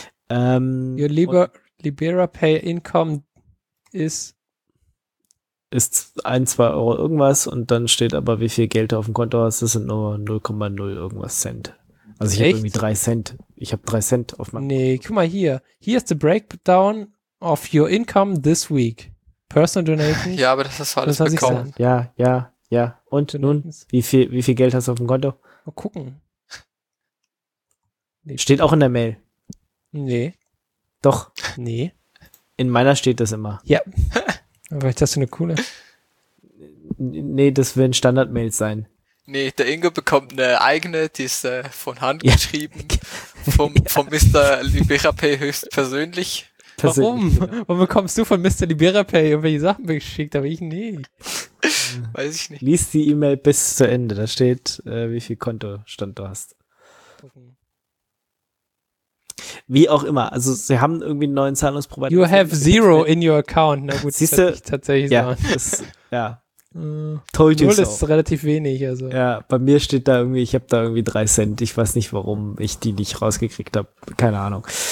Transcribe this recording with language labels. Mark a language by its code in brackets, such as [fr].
[en] Your Libera Pay Income ist [de] 1-2 Euro irgendwas und dann steht aber, wie viel Geld du auf dem Konto hast, das sind nur 0,0 irgendwas Cent. Also ich habe irgendwie 3 Cent. Ich habe 3 Cent auf meinem. Nee, guck mal hier. [en] Here is the breakdown of your income this week. Personal donations. [de] Ja, aber das hast du alles bekommen. Ja, ja, ja. Und nun, wie viel Geld hast du auf dem Konto? Mal gucken. Nee. Steht auch in der Mail. Nee. Doch. Nee. In meiner steht das immer. Ja. Aber ich dachte, das ist eine coole. Nee, das werden Standard-Mails sein. Nee, der Ingo bekommt eine eigene, die ist von Hand geschrieben, vom Mr. Liberapay höchstpersönlich. Persönlich, warum? Genau. Warum bekommst du von Mr. Liberapay irgendwelche Sachen geschickt, aber ich nicht? Weiß ich nicht. Lies die E-Mail bis zu Ende, da steht, wie viel Kontostand du hast. Wie auch immer, also sie haben irgendwie einen neuen Zahlungsprovider. [en] You have zero in your account, [de] na gut, siehst du? Tatsächlich, ja. So. [en] Told you [de] null so. Ist relativ wenig, also. Ja, bei mir steht da irgendwie, ich habe da irgendwie 3 Cent. Ich weiß nicht, warum ich die nicht rausgekriegt habe. Keine Ahnung.